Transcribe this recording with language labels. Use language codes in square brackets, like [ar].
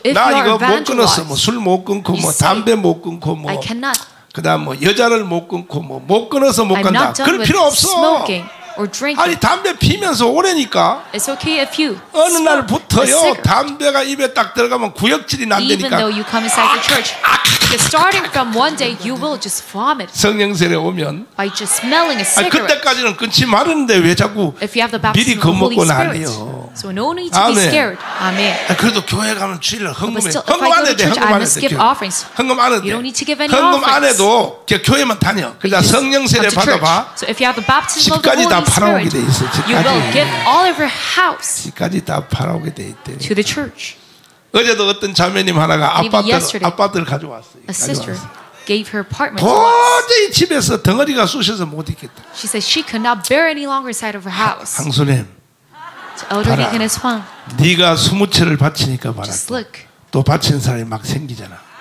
[ko] 나 이거 못 끊었어. 뭐 술 못 끊고 뭐 담배 못 끊고 뭐 [en] I cannot. [ko] 그다음 뭐 여자를 못 끊고 뭐 못 끊어서 못 간다. 그럴 필요 없어. [en] Smoking. Or drink [ko] 아니 담배 피면서 오래니까 [en] It's okay if you [ko] 어느 날부터요 담배가 입에 딱 들어가면 구역질이 난다니까 [en] Even though you come inside the church, starting from one day you will just vomit. [ko] 성령 세례 오면 [en] by just smelling a cigarette. [ko] 아, 그때까지는 끊지 말았는데 왜 자꾸 [en] if you have the baptism [ko] 미리 겁먹고 나네요. [en] So no need to be scared. Amen. [ko] 아, 그래도 교회 가면 주일날 헌금 안 해도 교회만 다녀. 그러다 성령 세례 받아봐. [en] So if you have the baptism of the Holy Spirit, [ko] 팔아오게 돼 있어 집까지. [en] You will give all of your house. [ko] 집까지 다 팔아오게 돼 있대. [en] To the church. [ko] 어제도 어떤 자매님 하나가 아파트를 가져왔어요. [en] A sister gave her apartment. [ko] 도저히 집에서 덩어리가 쑤셔서 못 있겠다. [en] She said she could not bear any longer inside of her house. [ko] 황순애. 봐라. 네가 20채를 바치니까 봐라. 또 바친 사람이 막 생기잖아.